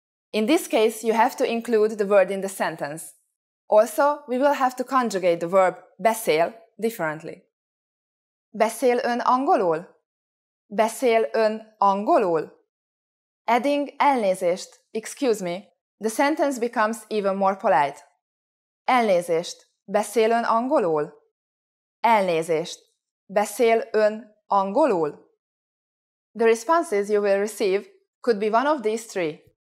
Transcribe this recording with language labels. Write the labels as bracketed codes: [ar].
[en] In this case, you have to include the word in the sentence. Also, we will have to conjugate the verb beszél differently. [hu] Beszél ön angolul? Beszél ön angolul? [en] Adding elnézést, excuse me, the sentence becomes even more polite. [hu] Elnézést, beszél ön angolul? Elnézést, beszél ön angolul? [en] The responses you will receive could be one of these three.